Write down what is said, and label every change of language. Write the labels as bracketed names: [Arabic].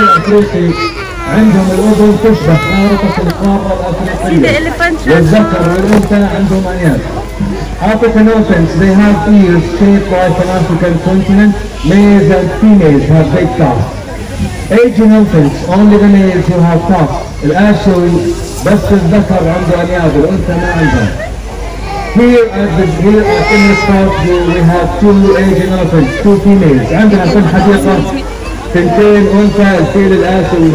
[Arabic] عندهم الأذن تشبه خارطة القارة الأفريقية والذكر والأنثى عندهم أنياب. [English] African elephants, they have ears shaped like an African continent. Males and females have big tusks. Asian elephants, only the males who have tusks. [Arabic] الآسيوي بس الذكر عنده أنياب والأنثى ما عندهم. [English] Here at this park we have two Asian elephants, two females. [Arabic] عندنا في الحديقة تنتين أنثى الفيل الآسيوي.